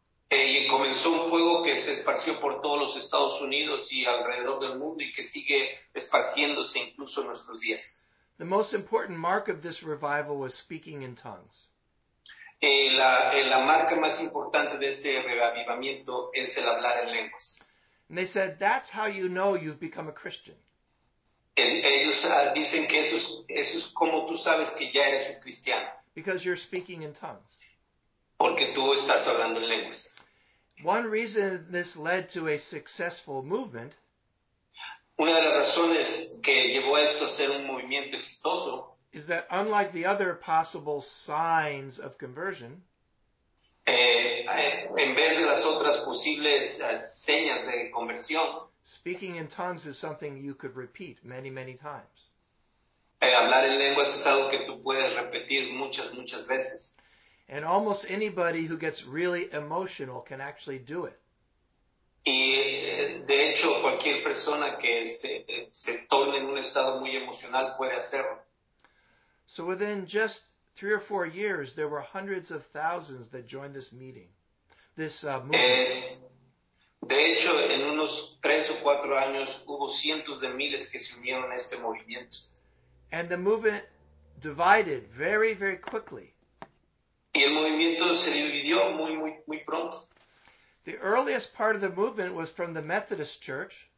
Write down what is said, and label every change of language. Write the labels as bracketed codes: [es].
[es] Y comenzó un fuego que se esparció por todos los Estados Unidos y alrededor del mundo y que sigue esparciéndose incluso en nuestros días. [en] The most important mark of this revival was speaking in tongues. [es] La marca más importante de este reavivamiento es el hablar en lenguas. [en] And they said, that's how you know you've become a Christian. [es] Ellos dicen que eso es como tú sabes que ya eres un cristiano. [en] Because you're speaking in tongues. [es] Porque tú estás hablando en lenguas. [en] One reason this led to a successful movement. [es] Una de las razones que llevó a esto a ser un movimiento exitoso. [en] Is that unlike the other possible signs of conversion. [es] En vez de las otras posibles señas de conversión. [en] Speaking in tongues is something you could repeat many, many times. [es] Hablar en lenguas es algo que tú puedes repetir muchas, muchas veces. [en] And almost anybody who gets really emotional can actually do it. [es] Y de hecho, cualquier persona que se torne en un estado muy emocional puede hacerlo. [en] So within just 3 or 4 years, there were hundreds of thousands that joined this meeting, this movement. [es] De hecho, en unos 3 o 4 años, hubo cientos de miles que se unieron a este movimiento. [en] And the movement divided very, very quickly. [es] Y el movimiento se dividió muy, muy, muy pronto. [en] The earliest part of the movement was from the Methodist Church.